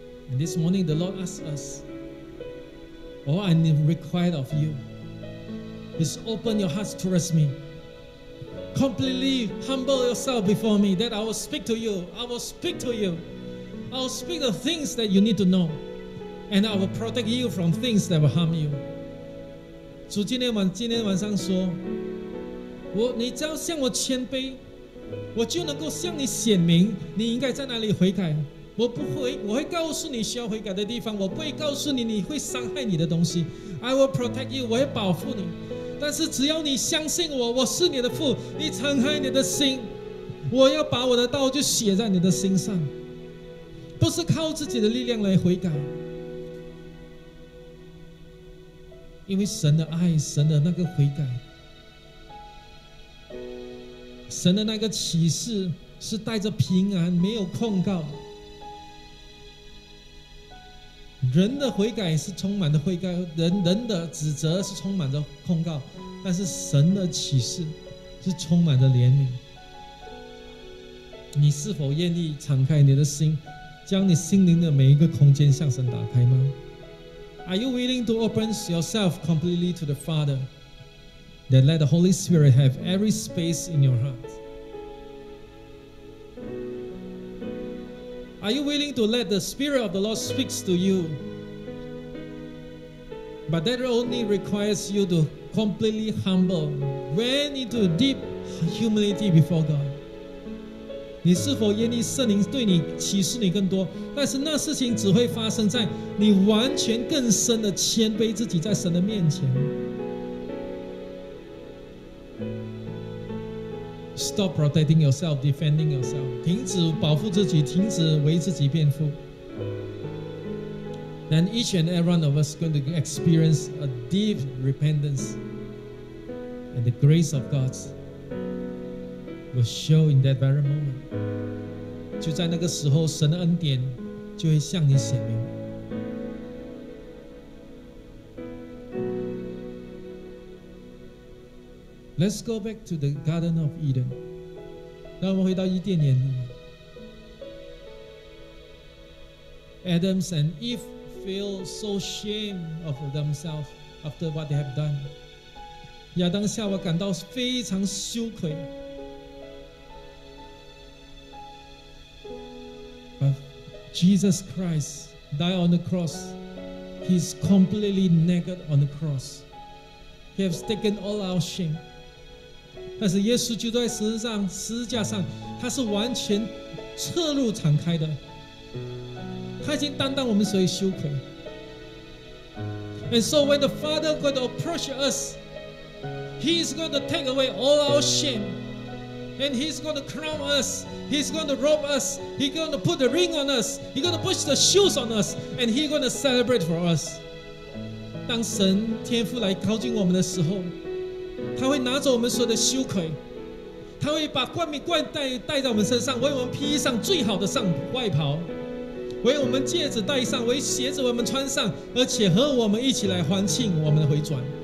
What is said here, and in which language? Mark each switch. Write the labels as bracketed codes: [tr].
[en] And this morning, the Lord asked us, all I require of you is open your hearts towards me. Completely humble yourself before me, that I will speak to you. I will speak to you. I will speak the things that you need to know, and I will protect you from things that will harm you. [zh] 主今天晚上说，你只要向我谦卑，我就能够向你显明你应该在哪里悔改。我会告诉你需要悔改的地方，我不会告诉你你会伤害你的东西。 [en] I will protect you. [zh] 我会保护你。但是只要你相信我，我是你的父，你敞开你的心，我要把我的道就写在你的心上，不是靠自己的力量来悔改。因为神的爱，神的那个悔改，神的那个启示是带着平安，没有控告。人的悔改是充满的悔改， 人的指责是充满着控告，但是神的启示是充满着怜悯。你是否愿意敞开你的心，将你心灵的每一个空间向神打开吗？ [en] Are you willing to open yourself completely to the Father, that let the Holy Spirit have every space in your heart? Are you willing to let the Spirit of the Lord speak to you, But that only requires you to completely humble, went into deep humility before God. [zh] 你是否愿意圣灵对你启示你更多？但是那事情只会发生在你完全更深的谦卑自己在神的面前。 [en] Stop protecting yourself, defending yourself. [zh] 停止保护自己，停止为自己辩护。 [en] Then each and every one of us is going to experience a deep repentance, and the grace of God will show in that very moment. [zh] 就在那个时候，神的恩典就会向你显明。 [en] Let's go back to the Garden of Eden. [zh] 让我们回到伊甸园。 [en] Adam and Eve feel so ashamed of themselves after what they have done. [zh] 亚当夏娃感到非常羞愧。 [en] But Jesus Christ died on the cross. He's completely naked on the cross. He has taken all our shame. [zh] 但是耶稣就在十字架上，他是完全赤露敞开的，他已经担当我们所有羞愧。 [en] And so when the Father is going to approach us, He is going to take away all our shame, and He is going to crown us, He is going to robe us, He is going to put the ring on us, He is going to push the shoes on us, and He is going to celebrate for us. [zh] 当神天父来靠近我们的时候。他会拿走我们所有的羞愧，他会把冠冕冠戴在我们身上，为我们披上最好的上外袍，为我们戒指戴上，为鞋子我们穿上，而且和我们一起来欢庆我们的回转。